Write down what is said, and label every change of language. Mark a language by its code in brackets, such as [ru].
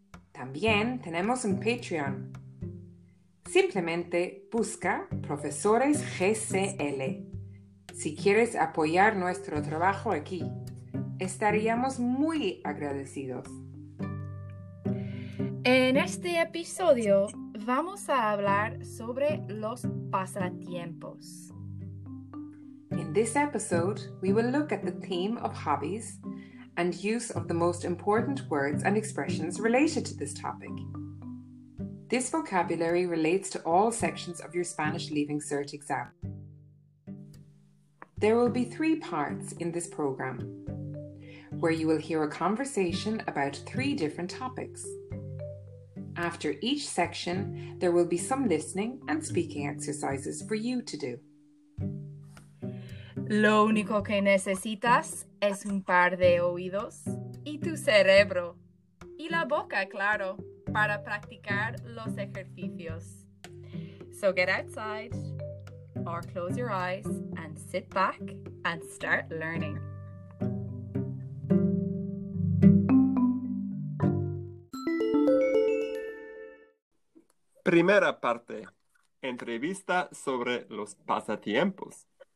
[es] También tenemos un Patreon. Simplemente busca Profesores GCL. Si quieres apoyar nuestro trabajo aquí, estaríamos muy agradecidos. En este episodio vamos a hablar sobre los pasatiempos. [en] In this episode, we will look at the theme of hobbies and use of the most important words and expressions related to this topic. This vocabulary relates to all sections of your Spanish Leaving Cert exam. There will be three parts in this program, where you will hear a conversation about three different topics. After each section, there will be some listening and speaking exercises for you to do. [es] Lo único que necesitas es un par de oídos y tu cerebro y la boca, claro, para practicar los ejercicios. [en] So get outside or close your eyes and sit back and start learning. [es] Primera parte, entrevista sobre los pasatiempos.